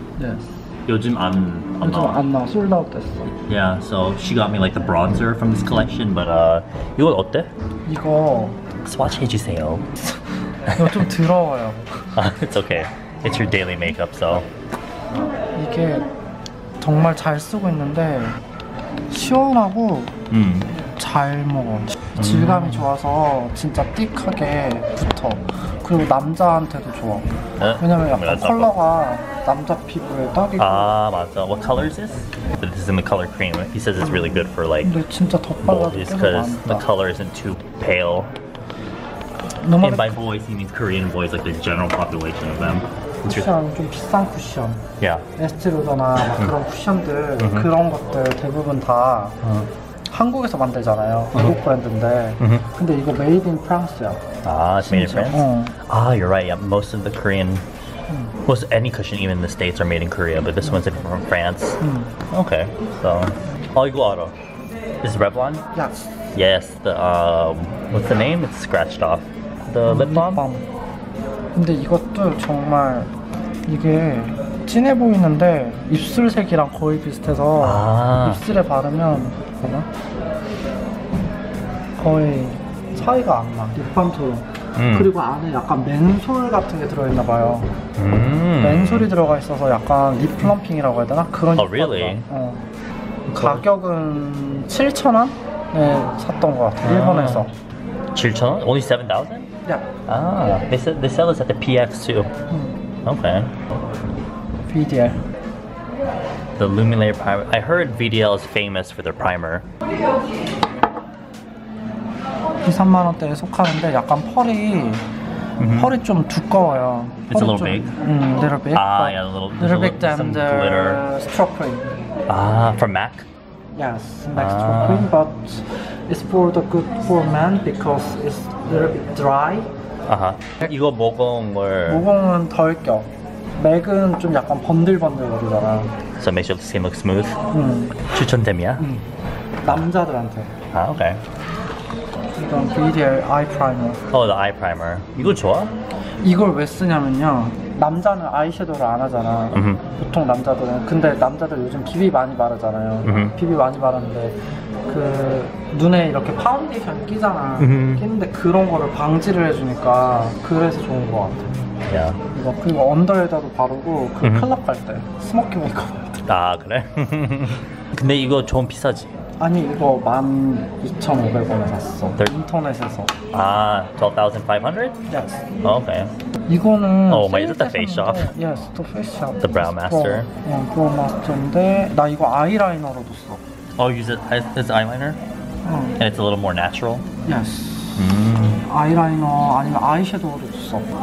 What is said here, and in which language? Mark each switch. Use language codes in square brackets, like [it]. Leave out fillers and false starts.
[en] Yes. [ko] 요즘 안 나. [en] Sold out 됐어. Yeah, so she got me like the bronzer from this collection, but [ko] 이거 어때? 이거... Swatch 해주세요. 이거 좀 더러워요. [en] It's okay. It's your daily makeup, so... [ko] 이게 정말 잘 쓰고 있는데 시원하고 잘 먹어. 질감이 좋아서 진짜 띡하게 붙어. 그리고 남자한테도 좋아. 네? 왜냐면 약간 컬러가 남자 피부에 딱이고. 아 맞아. [en] What color is this? But this is in the color cream. He says it's really good for like. [ko] 근데 진짜 덧발라도 계속 [en] Because the color isn't too pale. And by boys, he means Korean boys, like the general population of them. [ko] 쿠션 좀 비싼 쿠션. [en] Yeah. [ko] 에스티로더나 그런 쿠션들 그런 것들 대부분 다. 한국에서 만들잖아요. 한국 브랜드인데. 근데 이거 [en] made in France [ko] 야. [en] 아, it's made in France? 아, you're right. Yeah, most of the Korean... Most any cushion, even in the States, are made in Korea. But this one's from France. Okay, so... 아, [ko] 이거 알아. [en] Is it Revlon? Yes. Yes, the... what's the name? It's scratched off. The lip balm? Lip balm. [ko] 근데 이것도 정말... 이게... 진해 보이는데 입술 색이랑 거의 비슷해서 아. 입술에 바르면 뭐나? 거의 차이가 안 나. 립밤처럼. 그리고 안에 약간 멘솔 같은 게 들어있나 봐요. 멘솔이 들어가 있어서 약간 립 플럼핑이라고 해야 되나? 그런 [en] 립밤. Oh, really? [ko] 가격은 7,000원에 샀던 것 같아요. 일본에서. [en] 7,000원? Only 7,000? Yeah. 아, they sell this at the PX too. Okay. VDL. The Lumiere Primer. I heard VDL is famous for their primer. [ko] 2-3만 원대에 속하는데 약간 펄이 펄이 좀 두꺼워요. [en] It's a little big. Little big. Ah, yeah, little big than the glitter. Strobe cream. Ah, from Mac. Yes, Mac strobe cream, but it's for the good for men because it's a little bit dry. [ko] 이거 모공을 모공은 덜 껴. 맥은 좀 약간 번들번들 거리잖아. [en] So make sure the skin looks smooth. [ko] 추천템이야? 남자들한테. 아, 오케이. 이건 VDL 아이 프라이머. [en] Oh, the eye primer. [ko] 이거 좋아? 이걸 왜 쓰냐면요. 남자는 아이섀도우를 안 하잖아. 보통 남자들은. 근데 남자들 요즘 비비 많이 바르잖아요. 비비 많이 바르는데 그 눈에 이렇게 파운데이션 끼잖아. 끼는데 그런 거를 방지를 해주니까 그래서 좋은 거 같아. 야. 이거 그리고 언더에다도 바르고 그 클럽 갈 때 스모킹 메이크업. 아 그래? 근데 이거 좀 비싸지? 아니 이거 12,500원에 샀어. 인터넷에서. 아 12,500? [en] Yes. Oh, okay. [ko] 이거는 [en] Oh my, is it the face shop? Yes, the face shop. The brow master. [ko] 브로우 마스터인데 나 이거 아이라이너로도 써. [en] Oh, use it as eyeliner? And it's a little more natural? Yes. [ko] 아이라이너 아니면 아이섀도우도 써.